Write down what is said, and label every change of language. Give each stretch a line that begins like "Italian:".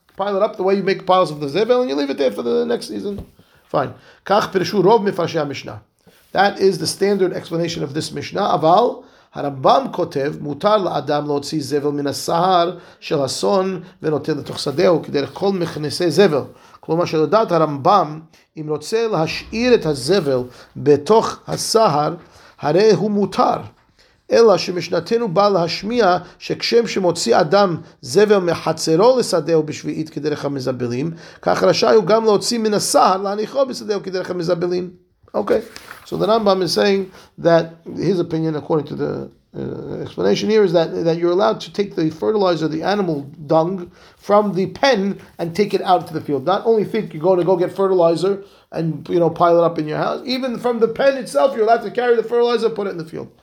English: Pile it up the way you make piles of the zebel and you leave it there for the next season. Fine.
Hebrew: כך פרשו רוב מפרשי המשנה.
English: That is the standard explanation of this Mishnah.
Hebrew: אבל הרמב״ם כותב, מותר לאדם להוציא זבל מן הסהר של אסון ונותן לתוך שדהו כדרך כל מכנסי זבל. כלומר שלדעת הרמב״ם, אם רוצה להשאיר את הזבל בתוך הסהר, הרי הוא מותר. אלא שמשנתנו בא להשמיע שכשם שמוציא אדם זבל מחצרו לשדהו בשביעית כדרך המזבלים, כך רשאי הוא גם להוציא מן הסהר להניחו בשדהו כדרך המזבלים.
English: Okay, so the Rambam is saying that his opinion, according to the explanation here, is that you're allowed to take the fertilizer, the animal dung, from the pen and take it out to the field. Not only think you're going to go get fertilizer and pile it up in your house, even from the pen itself, you're allowed to carry the fertilizer and put it in the field.